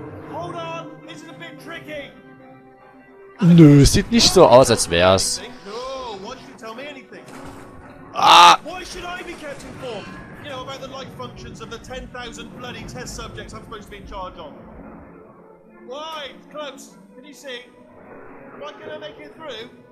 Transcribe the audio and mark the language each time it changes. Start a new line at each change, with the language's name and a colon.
English: Hold on, this is a bit tricky.
German: Nö, sieht nicht so aus, als wär's.
English: No, why should you tell me anything? Ah. Why should I be kept informed? You know, about the life functions of the 10,000 bloody test subjects I'm supposed to be in charge of. Right, close. Can you see? Am I gonna make it through?